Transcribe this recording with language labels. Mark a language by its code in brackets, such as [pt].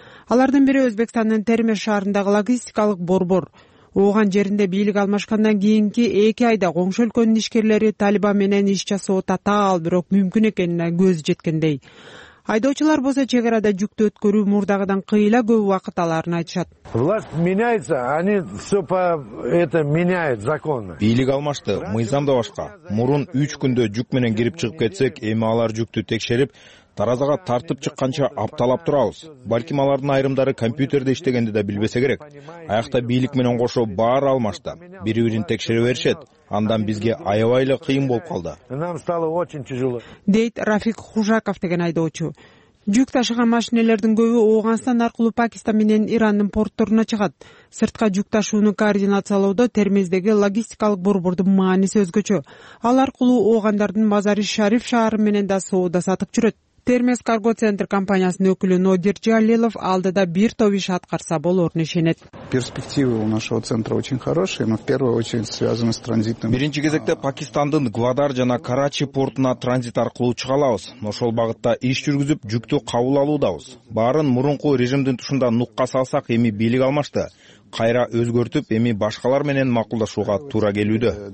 [ky] Алардын бири Өзбекстандын Термеш шаарындагы логистикалык борбор. Ооган жеринде бийлик алмашкандан кийинки 2 айда коңшу өлкөнүн ишкерлери Талибан менен иш жасоо татаал, бирок мүмкүн экенине көз жеткендей. Айдоочулар болсо чек арада жүктү өткөрүү мурдагыдан кыйла көп убакыт аларын айтышат. [ru] Власть меняется, они все по это меняют законы. [ky] Бийлик алмашты, мыйзам да башка. Мурун 3 күндө жүк менен кирип чыгып кетсек, эми алар жүктү текшерип, таразага тартып чыкканча апталап турабыз. Балким алардын айрымдары компьютерде иштегенди да билбесе керек. Аякта бийлик менен кошо баары алмашты. Бири бирин текшере беришет. Андан бизге аябай эле кыйын болуп калды. [ru] Нам стало очень тяжело. [ky] Дейт Рафик Хужаков деген айдоочу. Жүк ташыган машинелердин көбү Ооганстан аркылуу Пакистан менен Ирандын портторуна чыгат. Сыртка жүк ташууну координациялоодо Термездеги логистикалык борбордун мааниси өзгөчө. Ал аркылуу оогандардын Мазари Шариф шаары менен да соода сатып жүрөт. Термез Карго Центр компаниясынын өкүлү Нодир Жалилов алдыда бир топ иш аткарса болорун ишенет. [ru] Перспективы у нашего центра очень хорошие, но в первую очередь связаны с транзитом. [ky] Биринчи кезекте Пакистандын Гвадар жана Карачи портуна транзит аркылуу чыга алабыз. Ошол багытта иш жүргүзүп, жүктү кабыл алуудабыз. Баарын мурунку режимдин тушунда нукка салсак, эми бийлик алмашты. Кайра өзгөртүп, эми башкалар менен макулдашууга туура келүүдө.